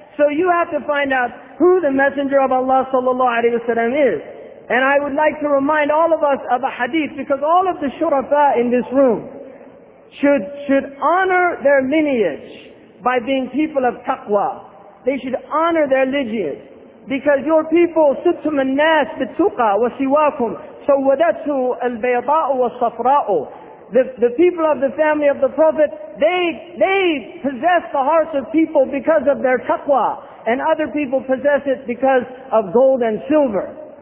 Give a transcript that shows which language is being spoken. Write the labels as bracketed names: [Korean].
[English] So you have to find out who the Messenger of Allah sallallahu alayhi wa sallam is. And I would like to remind all of us of a hadith, because all of the shurafa in this room should honor their lineage by being people of taqwa. They should honor their lineage. Because your people, [Arabic] سُبْتُمْ النَّاسِ بِالتُّقَى وَسِوَاكُمْ سَوَّدَتُهُ الْبَيْضَاءُ وَالصَّفْرَاءُ. [English] The people of the family of the Prophet, they possess the hearts of people because of their taqwa, and other people possess it because of gold and silver.